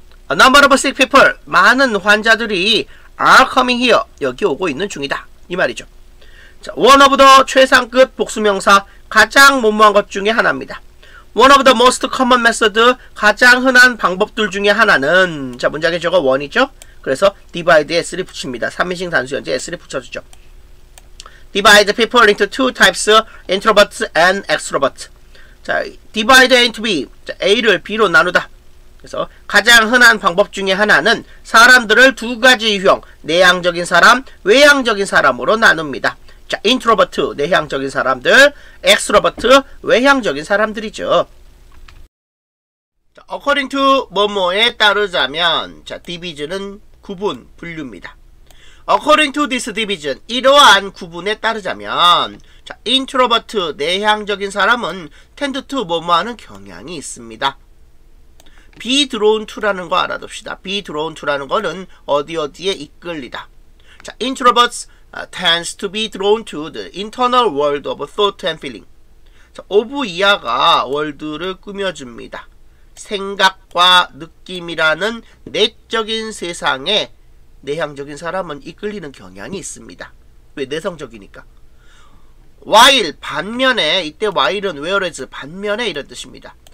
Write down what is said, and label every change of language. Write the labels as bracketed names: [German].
[English] a number of sick people [Korean] 많은 환자들이 [English] are coming here [Korean] 여기 오고 있는 중이다 이 말이죠. 자, [English] one of the [Korean] 최상급 복수명사 가장 무모한 것 중에 하나입니다. [English] one of the most common method [Korean] 가장 흔한 방법들 중에 하나는 자 문장에 저거 원이죠. 그래서 divide s를 붙입니다. 3인칭 단수형제 s를 붙여주죠. [English] divide people into two types, introverts and extroverts. [Korean] 자, [English] divide into b, [Korean] a를 b로 나누다. 그래서 가장 흔한 방법 중에 하나는 사람들을 두 가지 유형, 내향적인 사람, 외향적인 사람으로 나눕니다. 자, introvert, 내향적인 사람들, extrovert, 외향적인 사람들이죠. [English] according to [Korean] 뭐뭐에 따르자면 자, divide는 구분, 분류입니다. [English] According to this division, [Korean] 이러한 구분에 따르자면 자, introvert, 내향적인 사람은 [English] tend to [Korean] 뭐뭐하는 경향이 있습니다. [English] be drawn to [Korean] 라는 거 알아둡시다. be drawn to라는 거는 어디어디에 이끌리다. [English] 자, introverts tends to be drawn to the internal world of thought and feeling. [Korean] 자, of 이하가 world를 꾸며줍니다. 생각과 느낌이라는 내적인 세상에 내향적인 사람은 이끌리는 경향이 있습니다. 왜? 내성적이니까. while 반면에 이때 while은 whereas 반면에 이런 뜻입니다.